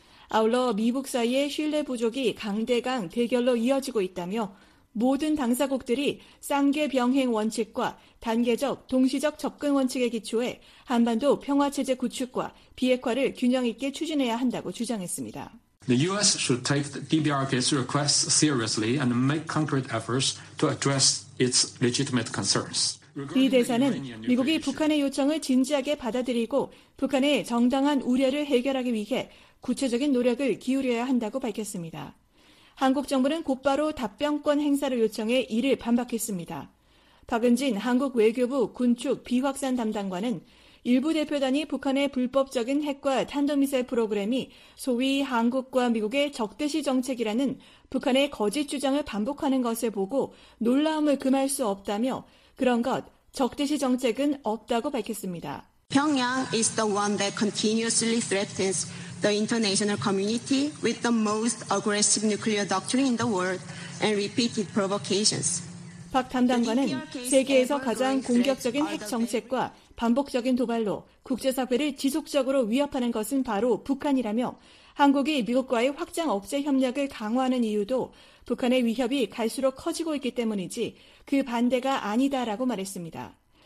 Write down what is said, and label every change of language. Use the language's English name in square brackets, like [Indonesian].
[Korean] 아울러 미국 사이의 신뢰 부족이 강대강 대결로 이어지고 있다며 모든 당사국들이 쌍계 병행 원칙과 단계적 동시적 접근 원칙에 기초해 한반도 평화체제 구축과 비핵화를 균형 있게 추진해야 한다고 주장했습니다. [English] The U.S. should take the DBRK's requests seriously and make concrete efforts to address its legitimate concerns. [Korean] 이 대사는 미국이 북한의 요청을 진지하게 받아들이고 북한의 정당한 우려를 해결하기 위해 구체적인 노력을 기울여야 한다고 밝혔습니다. 한국 정부는 곧바로 답변권 행사를 요청해 이를 반박했습니다. 박은진 한국 외교부 군축 비확산 담당관은 일부 대표단이 북한의 불법적인 핵과 탄도미사일 프로그램이 소위 한국과 미국의 적대시 정책이라는 북한의 거짓 주장을 반복하는 것을 보고 놀라움을 금할 수 없다며 그런 것, 적대시 정책은 없다고 밝혔습니다. [English] Pyongyang is the one that continuously threatens the international community with the most aggressive nuclear doctrine in the world and repeated provocations. [Korean] 박 담당관은 세계에서 가장 공격적인 핵 정책과 반복적인 도발로 국제사회를 지속적으로 위협하는 것은 바로 북한이라며 한국이 미국과의 확장 억제 협력을 강화하는 이유도 북한의 위협이 갈수록 커지고 있기 때문이지 그 반대가 아니다라고 말했습니다.